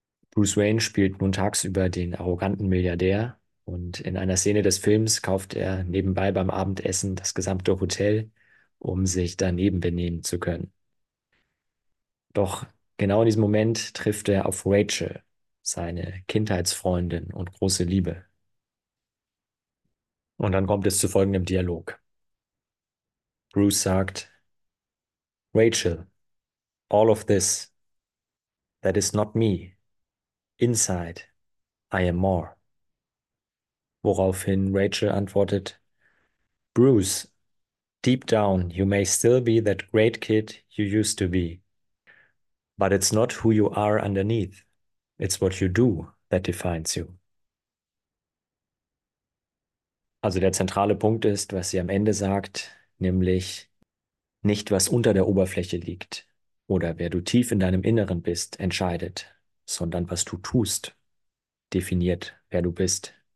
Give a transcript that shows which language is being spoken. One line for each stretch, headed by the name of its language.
German: Bruce Wayne spielt nun tagsüber den arroganten Milliardär und in einer Szene des Films kauft er nebenbei beim Abendessen das gesamte Hotel, um sich daneben benehmen zu können. Doch genau in diesem Moment trifft er auf Rachel, seine Kindheitsfreundin und große Liebe. Und dann kommt es zu folgendem Dialog. Bruce sagt,
English: Rachel, all of this, that is not me. Inside, I am more.
German: Woraufhin Rachel antwortet,
English: Bruce, deep down you may still be that great kid you used to be. But it's not who you are underneath. It's what you do that defines you.
German: Also der zentrale Punkt ist, was sie am Ende sagt, nämlich nicht, was unter der Oberfläche liegt oder wer du tief in deinem Inneren bist, entscheidet, sondern was du tust, definiert, wer du bist.